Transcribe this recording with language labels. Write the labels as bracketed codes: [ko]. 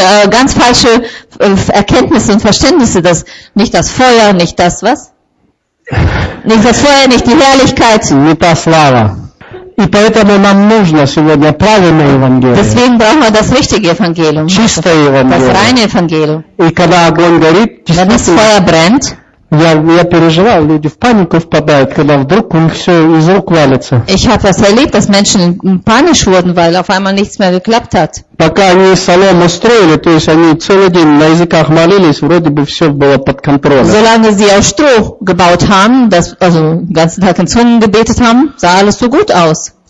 [de] Ganz falsche Erkenntnisse und Verständnisse, dass nicht das Feuer, nicht das was? Nicht das Feuer, nicht die Herrlichkeit. Nicht das Lava. [ru] И поэтому нам нужно сегодня правильное Евангелие. [de] Deswegen brauchen wir das richtige Evangelium. [ru] Чистое Евангелие. [de] Das reine Evangelium. [ru] И когда огонь горит, [de] wenn das Feuer brennt, [ru] я переживал, люди в панику впадают, когда вдруг у них все из рук валится. [de] Ich habe das erlebt, dass Menschen panisch wurden, weil auf einmal nichts mehr geklappt hat. [ru] Пока они солому строили, то есть они целый день на языках молились, вроде бы все было под контролем. [de] Solange sie auf Stroh gebaut haben, also den ganzen Tag in Zungen gebetet haben, sah alles so gut aus.